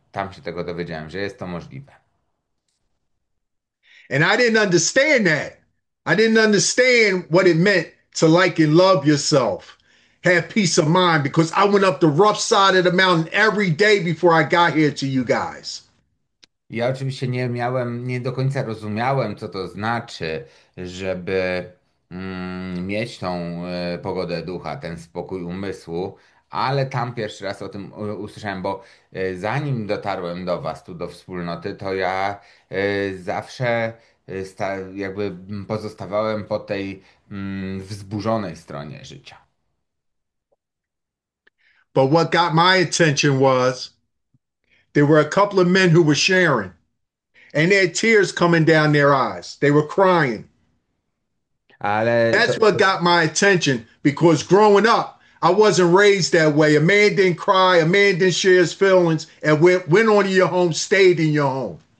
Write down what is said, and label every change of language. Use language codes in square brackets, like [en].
[pl] Tam się tego dowiedziałem, że jest to możliwe. [en] And I didn't understand that. I didn't understand what it meant to like and love yourself, have peace of mind, because I went up the rough side of the mountain every day before I got here to you guys. [pl] Ja oczywiście nie do końca rozumiałem, co to znaczy, żeby mieć tą pogodę ducha, ten spokój umysłu, ale tam pierwszy raz o tym usłyszałem, bo zanim dotarłem do Was, tu do wspólnoty, to ja zawsze jakby pozostawałem po tej wzburzonej stronie życia. [en] But what got my attention was there were a couple of men who were sharing, and they had tears coming down their eyes. They were crying. [pl] Ale [en] That's what got my attention because growing up, I wasn't raised that way. A man didn't cry, a man didn't share his feelings, and went on to your home, stayed in your home.